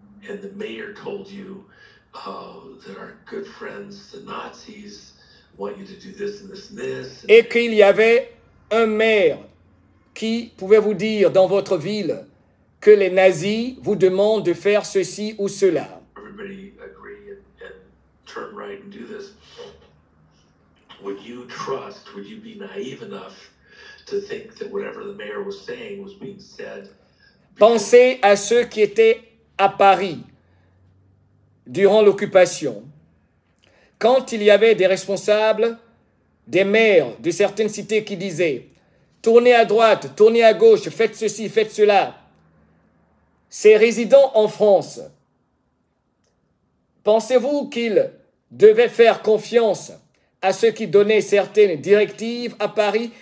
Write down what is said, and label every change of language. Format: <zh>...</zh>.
<en>And the mayor told you that our good friends, the Nazis, want you to do this and this and this.</en> <fr>Et qu'il y avait un maire qui pouvait vous dire dans votre ville que les nazis vous demandent de faire ceci ou cela.</fr> <en>Everybody agree and turn right and do this. Would you trust, would you be naive enough to think that whatever the mayor was saying was being said?</en> <fr>Pensez à ceux qui étaient à Paris durant l'occupation, quand il y avait des responsables, des maires de certaines cités qui disaient « Tournez à droite, tournez à gauche, faites ceci, faites cela. » Ces résidents en France, pensez-vous qu'ils devaient faire confiance à ceux qui donnaient certaines directives à Paris?</fr>